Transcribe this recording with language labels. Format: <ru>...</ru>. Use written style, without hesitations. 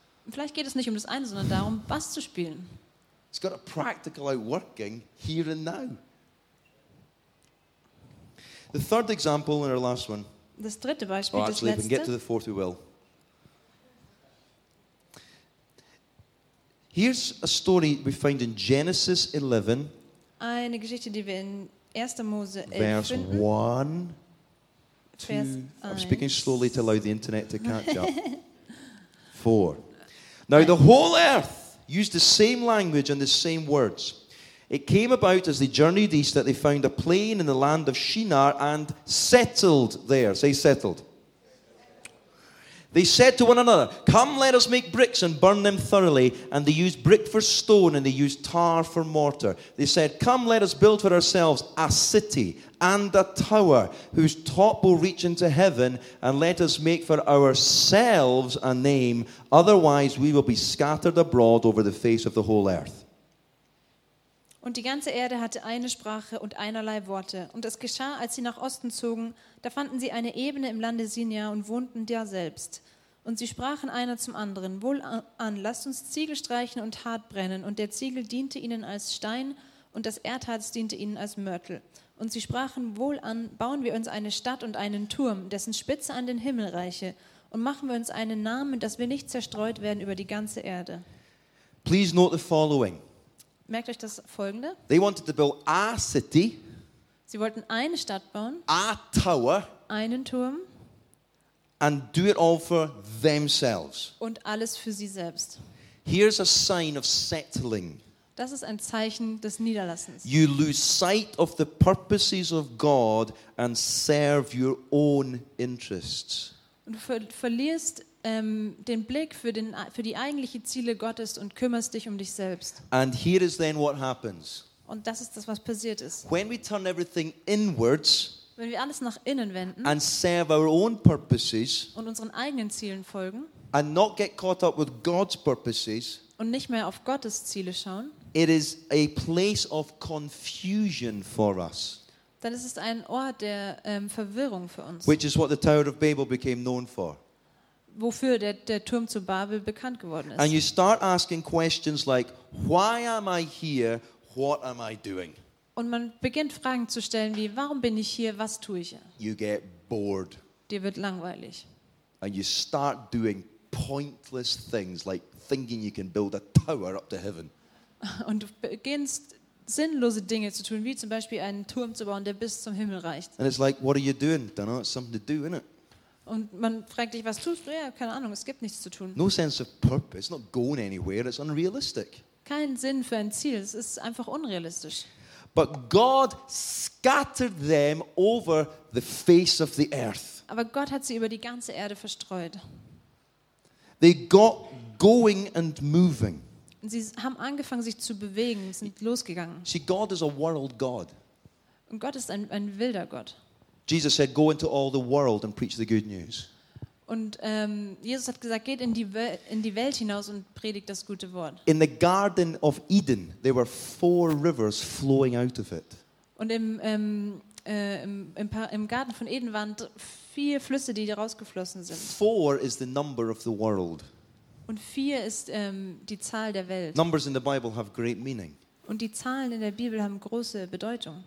<de>Vielleicht geht es nicht um das eine, sondern darum, Bass zu spielen.</de> <en>It's got a practical outworking here and now. The third example and our last one.</en> <de>Das dritte Beispiel, oh,</de> <en>actually,</en> <de>das letzte.</de> <en>If we get to the fourth, we will. Here's a story we find in Genesis 11.</en> <de>Eine Geschichte, die wir in 1. Mose 11</de> <en>verse</en> <de>finden.</de> <en>Verse 1. I'm speaking slowly to allow the internet to catch up. 4. Now the whole earth used the same language and the same words. It came about as they journeyed east that they found a plain in the land of Shinar and settled there. Say settled. They said to one another, come, let us make bricks and burn them thoroughly. And they used brick for stone and they used tar for mortar. They said, come, let us build for ourselves a city and a tower whose top will reach into heaven, and let us make for ourselves a name. Otherwise, we will be scattered abroad over the face of the whole earth.</en> <de>Und die ganze Erde hatte eine Sprache und einerlei Worte. Und es geschah, als sie nach Osten zogen, da fanden sie eine Ebene im Lande Sinjar und wohnten da selbst. Und sie sprachen einer zum anderen, wohlan, lasst uns Ziegel streichen und hart brennen. Und der Ziegel diente ihnen als Stein und das Erdharz diente ihnen als Mörtel. Und sie sprachen, wohlan, bauen wir uns eine Stadt und einen Turm, dessen Spitze an den Himmel reiche. Und machen wir uns einen Namen, dass wir nicht zerstreut werden über die ganze Erde.</de> <en>Please note the following.</en> <de>Merkt euch das Folgende.</de> <en>They wanted to build a city.</en> <de>Sie wollten eine Stadt bauen.</de> <en>A tower.</en> <de>Einen Turm.</de> <en>And do it all for themselves.</en> <de>Und alles für sie selbst.</de> <en>Here's a sign of settling.</en> <de>Das ist ein Zeichen des Niederlassens.</de> <en>You lose sight of the purposes of God and serve your own interests.</en> <de>Und verlierst den Blick für die eigentlichen Ziele Gottes und kümmerst dich um dich selbst.</de> <en>And here is then what happens.</en> <de>Und das ist das, was passiert ist.</de> <en>When we turn everything inwards,</en> <de>wenn wir alles nach innen wenden</de> <en>and serve our own purposes,</en> <de>und unseren eigenen Zielen folgen</de> <en>and not get caught up with God's purposes,</en> <de>und nicht mehr auf Gottes Ziele schauen,</de> <en>it is a place of confusion for us.</en> <de>Dann ist es ein Ort der Verwirrung für uns.</de> <en>Which is what the Tower of Babel became known for.</en> <de>Wofür der Turm zu Babel bekannt geworden ist.</de> <en>And you start asking questions like, why am I here? What am I doing?</en> <de>Und man beginnt Fragen zu stellen wie, warum bin ich hier? Was tue ich?</de> <en>You get bored.</en> <de>Dir wird langweilig.</de> <en>And you start doing pointless things like thinking you can build a tower up to heaven.</en> <de>Und du beginnst sinnlose Dinge zu tun, wie zum Beispiel einen Turm zu bauen, der bis zum Himmel reicht.</de> <en>And it's like, what are you doing? Don't know, it's something to do, isn't it?</en> <de>Und man fragt dich, was tust du? Ja, keine Ahnung, es gibt nichts zu tun.</de> <en>No sense of purpose, not going anywhere, it's unrealistic.</en> <de>Kein Sinn für ein Ziel, es ist einfach unrealistisch.</de> <en>But God scattered them over the face of the earth.</en> <de>Aber Gott hat sie über die ganze Erde verstreut.</de> <en>They got going and moving.</en> <de>Sie haben angefangen, sich zu bewegen, sind losgegangen.</de> <en>See, God is a world God.</en> <de>Und Gott ist ein wilder Gott.</de> <en>Jesus said, "Go into all the world and preach the good news."</en> <de>Und Jesus hat gesagt, geht in die Welt hinaus und predigt das gute Wort.</de> <en>In the Garden of Eden, there were 4 rivers flowing out of it.</en> <de>Und im Garten von Eden waren 4 Flüsse, die rausgeflossen sind.</de> <en>4 is the number of the world.</en> <de>Und 4 ist die Zahl der Welt.</de> <en>Numbers in the Bible have great meaning.</en> <de>Und die Zahlen in der Bibel haben große Bedeutung.</de>